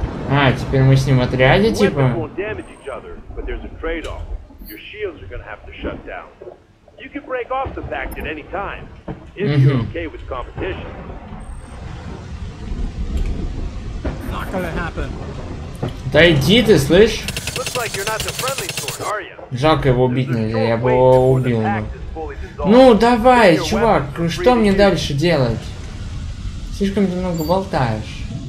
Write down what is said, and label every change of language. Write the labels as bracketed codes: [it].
[ru] А, теперь мы с ним в отряде, типа? [en] But there's a trade-off. Your shields are gonna have to shut down. You can break off the pact at any time, if you're okay with competition. Not gonna happen. [ru] Да иди ты, слышь? [en] Looks like you're not the friendly sort, are you? [ru] Жалко его убить нельзя, я бы его убил. Ну давай, чувак, что мне дальше делать? Слишком ты много болтаешь.